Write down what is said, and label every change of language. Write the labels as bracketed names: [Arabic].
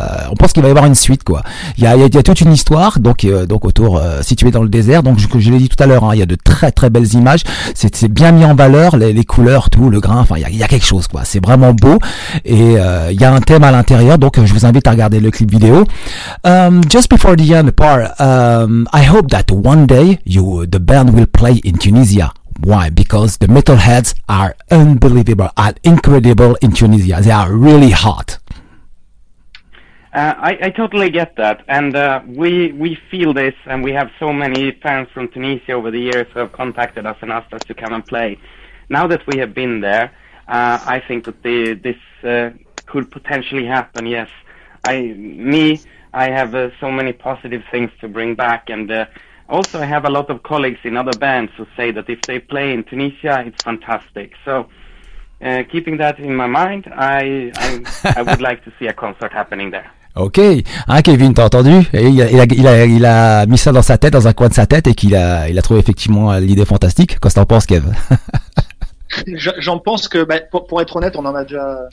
[French] On pense qu'il va y avoir une suite, quoi. Il y a toute une histoire, donc autour située dans le désert. Donc je l'ai dit tout à l'heure, hein, il y a de très très belles images. C'est bien mis en valeur, les couleurs, tout le grain. Enfin, il y a quelque chose, quoi. C'est vraiment beau et il y a un thème à l'intérieur. Donc je vous invite à regarder le clip vidéo. [English] Just before the end part, I hope that one day the band will play in Tunisia. Why? Because the metalheads are unbelievable and incredible in Tunisia. They are really hot. I totally get that. And we feel this, and we have so many fans from Tunisia over the years who have contacted us and asked us to come and play. Now that we have been there, I think that this could potentially happen, yes. I have so many positive things to bring back, and... Also, I have a lot of colleagues in other bands who say that if they play in Tunisia, it's fantastic. So, keeping that in my mind, I would like to see a concert happening there. [French] Ok, hein, Kevin, t'as entendu? Et il a mis ça dans sa tête, dans un coin de sa tête, et qu'il a trouvé effectivement l'idée fantastique. Qu'est-ce que t'en penses, Kev? J'en pense que, bah, pour être honnête, on en a déjà.